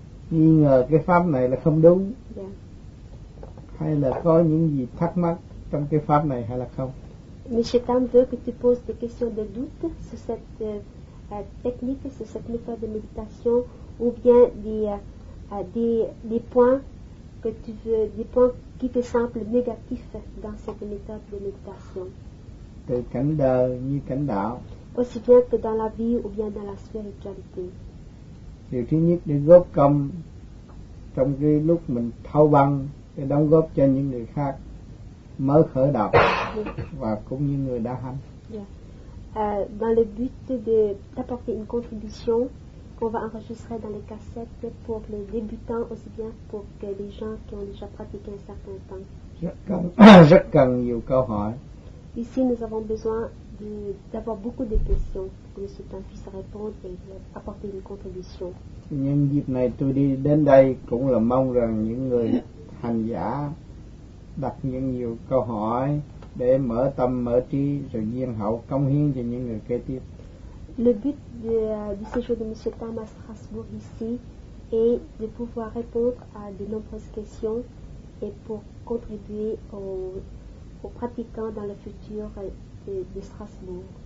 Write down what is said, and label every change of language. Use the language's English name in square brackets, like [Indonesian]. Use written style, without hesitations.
[Vietnamese] Nghi ngờ cái pháp này là không đúng. Yeah. Hay là có những gì thắc mắc trong cái pháp này hay là không? M. [French] Tan veut que tu poses des questions de doute sur cette technique, sur cette méthode de méditation, ou bien des points que tu veux, des points qui te semble négatif dans cette méthode de méditation. [Vietnamese] Từ cảnh đời như cảnh đạo. [French] aussi bien que dans la vie ou bien dans la spiritualité. [Vietnamese] Điều thứ nhất để góp công trong cái lúc mình thâu băng để đóng góp cho những người khác mới khởi đạo và cũng như người đã hành. [French] Dans le but de d'apporter une contribution qu'on va enregistrer dans les cassettes pour les débutants aussi bien pour que les gens qui ont déjà pratiqué un certain temps. [Vietnamese] Rất cần nhiều câu hỏi. [French] Ici nous avons besoin de, d'avoir beaucoup de questions pour que le soutien puisse répondre et apporter une contribution. [Vietnamese] Nhân dịp này tôi đi đến đây cũng là mong rằng những người hành giả đặt những nhiều câu hỏi để mở tâm mở trí rồi duyên hậu cống hiến cho những người kế tiếp. [French] Le but du séjour de Monsieur Tam à Strasbourg ici est de pouvoir répondre à de nombreuses questions et pour contribuer aux pratiquants dans le futur de Strasbourg.